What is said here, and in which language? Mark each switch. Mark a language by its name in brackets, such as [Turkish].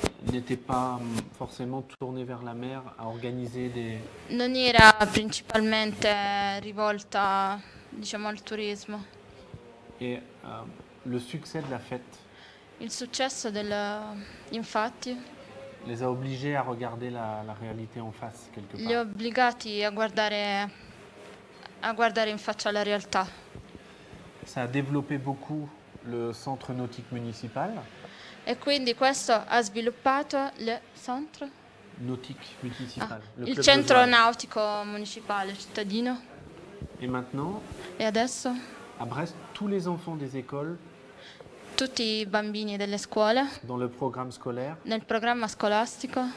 [French] N'était pas forcément tournée vers la mer à organiser des. [Italian] Non era principalmente rivolta, diciamo, al turismo. [French] Et le succès de la fête. [Italian] Il successo del... infatti... [French] Les a obligés à regarder la, la réalité en face, quelque part. [Italian] Li ha obbligati a guardare in faccia la realtà. [French] Ça a développé beaucoup le centre nautique municipal. [Italian] E quindi questo ha sviluppato il centro [French] nautique municipal. [Italian] Il centro nautico municipale, cittadino. [French] Et maintenant? [Italian] E adesso? [French] À Brest, tous les enfants des écoles. [Italian] Tutti i bambini delle scuole. [French] Dans le programme scolaire. [Italian] Nel programma scolastico.